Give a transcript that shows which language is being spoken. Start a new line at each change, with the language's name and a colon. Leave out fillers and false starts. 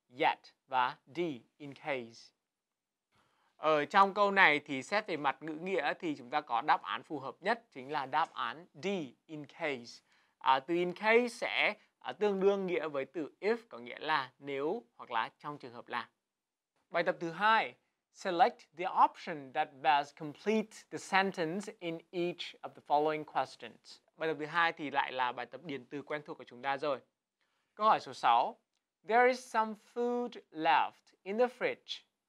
English: Yet và D. In case.
Vietnamese: Ở trong câu này thì xét về mặt ngữ nghĩa thì chúng ta có đáp án phù hợp nhất chính là đáp án D. In case. Từ in case sẽ tương đương nghĩa với từ if, có nghĩa là nếu hoặc là trong trường hợp là. Bài tập thứ 2.
English: Select the option that best completes the sentence in each of the following questions.
Vietnamese: Bài tập thứ 2 thì lại là bài tập điền từ quen thuộc của chúng ta rồi. Câu hỏi số 6.
English: There is some food left in the fridge.